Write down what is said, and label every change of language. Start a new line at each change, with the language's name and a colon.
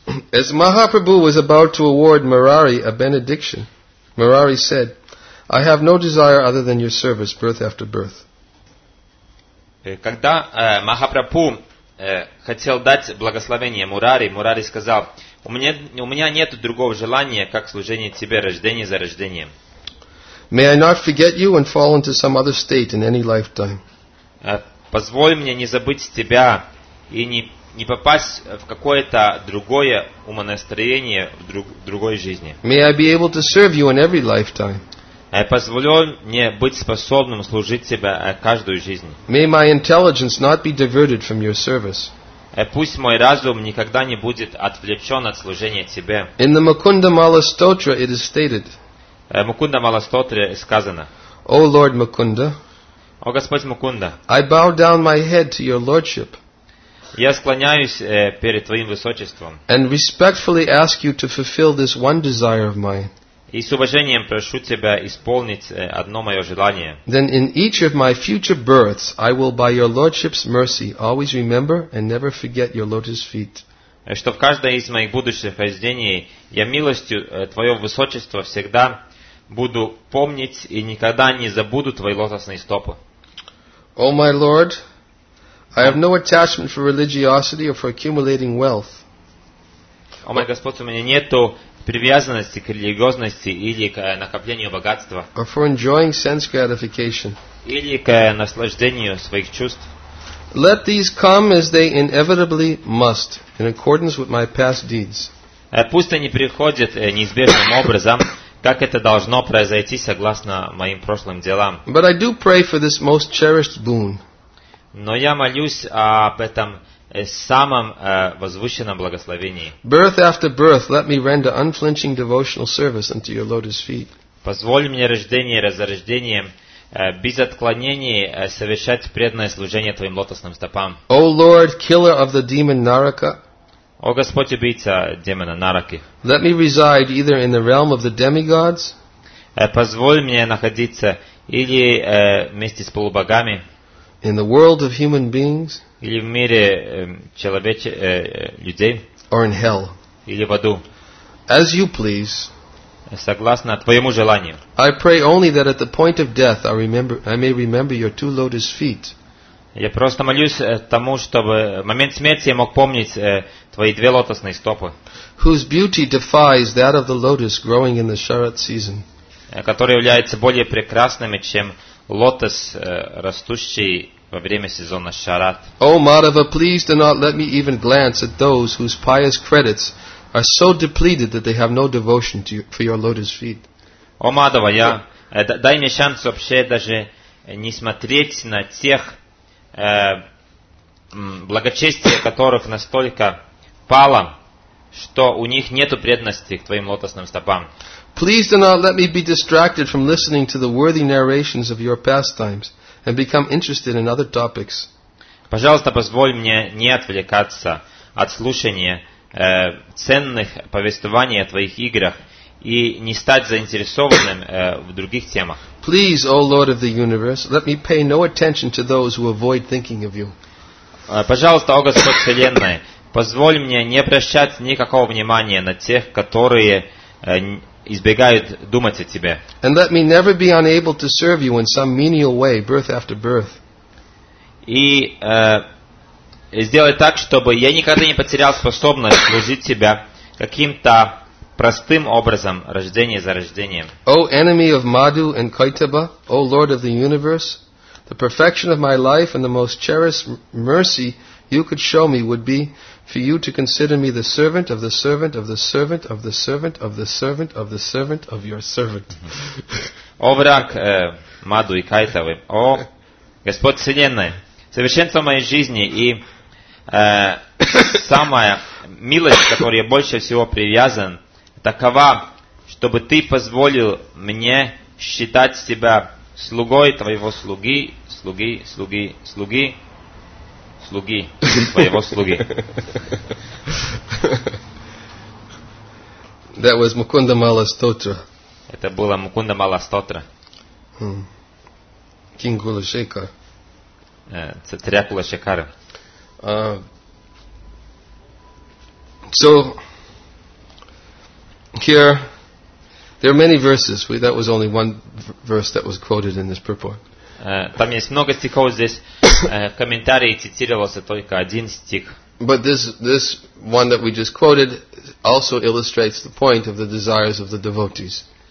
English: As Mahaprabhu was about to award Murari a benediction, Murari said, I have no desire other than your service, birth after birth.
Russian: Когда Махапрабху хотел дать благословение Мурари, Мурари сказал, у меня нет другого желания, как служение тебе, рождение за рождением.
English: May I not forget you and fall into some other state in any lifetime?
Russian: Позволь мне не забыть тебя и не попасть в какое-то другое умонастроение в другой жизни.
English: May I be able to serve you in every lifetime?
Russian: Позволь мне быть способным служить тебе каждую жизнь.
English: May my intelligence not be diverted from your service.
Russian: Пусть мой разум никогда не будет отвлечен от служения тебе.
English: In the Mukunda Mala Stotra it is stated.
Russian: Мукунда Мала Стотре сказано.
English: O Lord Mukunda.
Russian: О Господь Мукунда.
English: I bow down my head to your lordship.
Russian: Я склоняюсь перед твоим высочеством.
English: And respectfully ask you to fulfill this one desire of mine.
Russian: И с уважением прошу тебя исполнить одно мое желание.
English: Then in each of my future births, I will, by your lordship's mercy, always remember and never forget your lotus feet.
Russian: Что в каждое из моих будущих рождений я милостью твоего высочества всегда буду помнить и никогда не забуду твои лотосные стопы.
English: О, my lord, I have no attachment for religiosity or for accumulating wealth.
Russian: О, мой Господь, у меня нету привязанности к религиозности или к накоплению богатства.
English: Or for enjoying sense gratification.
Russian: Или к наслаждению своих чувств.
English: Let these come as they inevitably must, in accordance with my past deeds.
Russian: Пусть они приходят неизбежным образом, как это должно произойти согласно моим прошлым делам.
English: But I do pray for this most cherished boon.
Russian: Но я молюсь об этом самом возвышенном благословении.
English: Birth after birth, let me render unflinching devotional service unto your lotus feet.
Russian: Позволь мне рождение за рождением без отклонений совершать преданное служение твоим лотосным стопам.
English: O Lord, killer of the demon Нарака.
Russian: О Господь убийца демона Нараки.
English: Let me reside either in the realm of the demigods.
Russian: Позволь мне находиться или вместе с полубогами.
English: In the world of human beings.
Russian: Или в мире людей.
English: or in hell.
Russian: Или в аду.
English: As you please.
Russian: Согласно твоему желанию.
English: I pray only that at the point of death I may remember your two lotus feet.
Russian: Я просто молюсь тому, чтобы в момент смерти я мог помнить твои две лотосные стопы.
English: Whose beauty defies that of the lotus growing in the Sharad season.
Russian: Которые являются более прекрасными, чем лотос, растущий во время сезона Шарат.
English: O Madhava, please do not let me even glance at those whose pious credits are so depleted that they have no devotion to you, for your lotus feet.
Russian: О Мадхава, я дай мне шанс вообще даже не смотреть на тех благочестие которых настолько пало, что у них нету преданности к твоим лотосным стопам.
English: Please do not let me be distracted from listening to the worthy narrations of your pastimes and become interested in other topics.
Russian: Пожалуйста, позволь мне не отвлекаться от слушания ценных повествований о твоих играх и не стать заинтересованным в других темах.
English: Please, O Lord of the universe, let me pay no attention to those who avoid thinking of you.
Russian: Пожалуйста, о Господь Вселенной, позволь мне не обращать никакого внимания на тех, которые избегают думать о тебе.
English: And let me never be unable to serve you in some menial way, birth after birth.
Russian: И сделай так, чтобы я никогда не потерял способность служить тебе каким-то простым образом, рождение за рождением.
English: O enemy of Madhu and Kaitaba, O Lord of the universe, the perfection of my life and the most cherished mercy you could show me would be for you to consider me the servant of the servant of the servant of the servant of the servant of the servant of your servant.
Russian: О враг Мадху и Кайтавы, о Господь Вселенной, совершенство моей жизни и самая милость, которой я больше всего привязан, такова, чтобы ты позволил мне считать себя слугой твоего слуги, слуги, слуги, слуги, слуги твоего слуги.
English: That was Mukunda Mala Stotra.
Russian: Это было Mukunda Mala Stotra.
English: King Kulashekar.
Russian: Цитря Кулашекара.
English: So here, there are many verses. That was only one verse that was quoted in this purport.
Russian: Там есть много стихов здесь. В комментарии цитировался только один стих.
English: But this one that we just quoted also illustrates the point of the desires of the devotees.